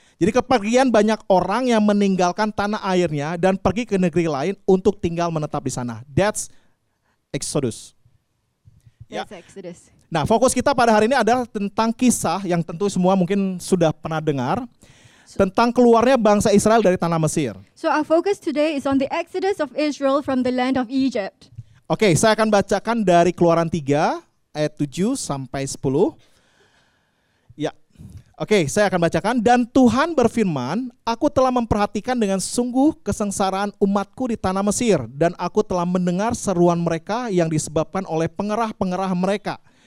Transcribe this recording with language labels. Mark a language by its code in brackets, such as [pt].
[id] Jadi kepergian banyak orang yang meninggalkan tanah airnya dan pergi ke negeri lain untuk tinggal menetap di sana. [en] That's Exodus. That's Exodus. [id] Nah, fokus kita pada hari ini adalah tentang kisah yang tentu semua mungkin sudah pernah dengar tentang keluarnya bangsa Israel dari tanah Mesir. [en] So our focus today is on the Exodus of Israel from the land of Egypt. [id] Oke, saya akan bacakan dari Keluaran 3 ayat 7 sampai 10. Oke, saya akan bacakan. Dan Tuhan berfirman, aku telah memperhatikan dengan sungguh kesengsaraan umatku di tanah Mesir, dan aku telah mendengar seruan mereka yang disebabkan oleh pengerah-pengerah mereka.